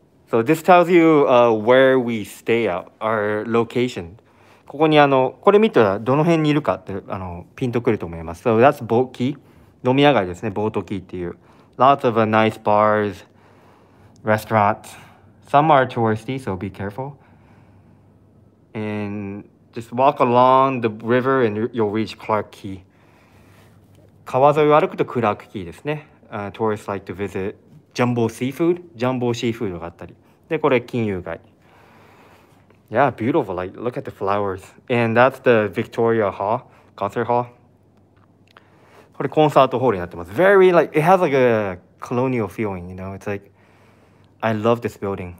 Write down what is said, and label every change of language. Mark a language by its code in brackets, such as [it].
[en] So this tells you, where we stay at, our location. [ja] ここにこれ見たらどの辺にいるかってピンとくると思います。 [en] So that's Boat Key. [ja] 飲み屋街ですね。ボートキーっていう。 [en] Lots of nice bars. Restaurants. Some are touristy, so be careful. And just walk along the river and you'll reach Clark Key. [ja] 川沿いを歩くとクラークキーですね。 [en] Tourists like to visit Jumbo Seafood. Jumbo Seafood [ja] があったり。で、これ金融街。 [en] Yeah, beautiful. Like, look at the flowers. And that's the Victoria Hall, Concert Hall. [ja] これコンサートホールになってます。 [en] Very, like, it has like a colonial feeling, you know? It's like,I love this building.